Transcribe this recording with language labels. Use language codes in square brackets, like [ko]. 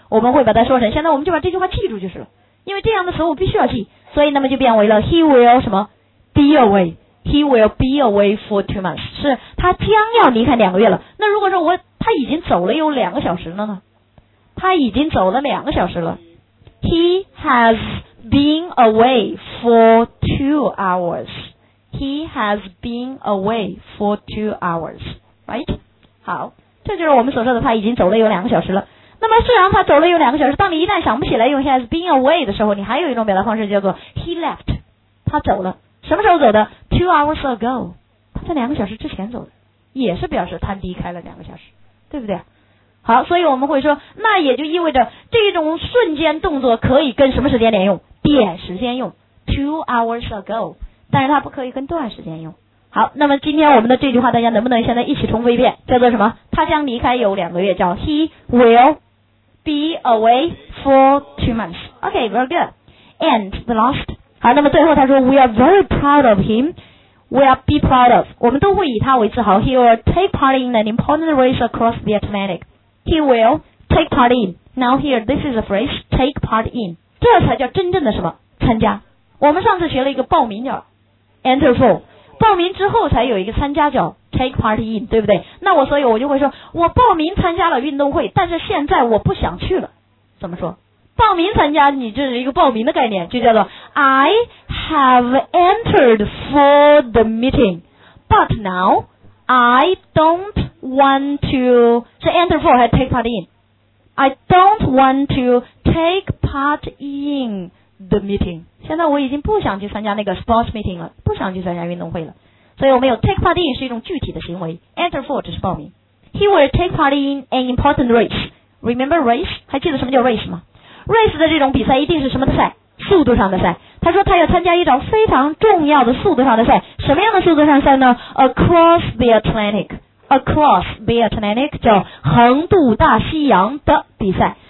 [zh] 我们会把它说成，现在我们就把这句话记住就是了，因为这样的时候我必须要记，所以那么就变为了 he will 什么 be away， he will be away for 2 months，是他将要离开两个月了。那如果说我他已经走了有两个小时了呢？他已经走了两个小时了。 [en] He has been away for 2 hours. He has been away for 2 hours. Right? [zh] 好，这就是我们所说的他已经走了有两个小时了。那么虽然他走了有两个小时，当你一旦想不起来用 he has been away 的时候，你还有一种表达方式叫做 he left. 他走了。什么时候走的？ 2 hours ago. 他在两个小时之前走的，也是表示他离开了两个小时，对不对？好，所以我们会说，那也就意味着这种瞬间动作可以跟什么时间连用？点时间用 2 hours ago，但是它不可以跟段时间用。好，那么今天我们的这句话大家能不能现在一起重复一遍，叫做什么？ [en] 他将离开有两个月，叫 He will be away for 2 months. OK, very good. And the last. 好，那么最后他说 We are very proud of him. We are be proud of. 我们都会以他为自豪。 He will take part in an important race across the Atlantic. He will take part in. Now here, this is a phrase, take part in. [zh] 这才叫真正的什么？参加。我们上次学了一个报名叫 enter for， 报名之后才有一个参加叫 take part in， 对不对？那我所以我就会说，我报名参加了运动会，但是现在我不想去了。怎么说？报名参加，你这是一个报名的概念，就叫做 I have entered for the meeting, but now I don't. [en] Want to 是 enter for 还是 take part in? I don't want to take part in the meeting. [zh] 现在我已经不想去参加那个 sports meeting 了，不想去参加运动会了。所以我们有 take part in 是一种具体的行为， enter for 只是报名。 [en] He will take part in an important race. Remember race? [zh] 还记得什么叫 race 吗？Race 的这种比赛一定是什么的赛？速度上的赛。他说他要参加一场非常重要的速度上的赛。什么样的速度上赛呢？ Across the Atlantic. Across the Atlantic 叫横渡大西洋的比赛。